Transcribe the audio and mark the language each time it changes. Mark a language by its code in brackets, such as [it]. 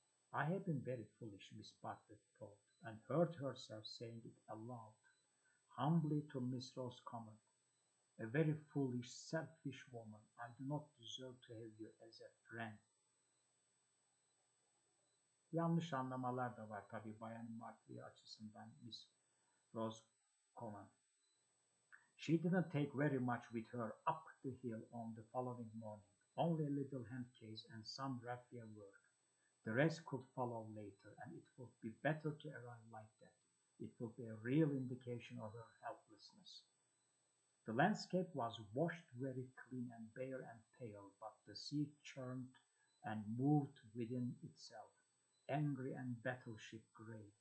[en] "I have been very foolish," Miss Bartlett thought, and heard herself saying it aloud, humbly, to Miss Roscommon. "A very foolish, selfish woman. I do not deserve to have you as a friend." [tr] Yanlış anlamalar da var tabii Bayan Bartlett açısından Miss Roscommon. [en] She didn't take very much with her up the hill on the following morning, only a little hand case and some raffia work. The rest could follow later, and it would be better to arrive like that. It would be a real indication of her helplessness. The landscape was washed very clean and bare and pale, but the sea churned and moved within itself, angry and battleship gray.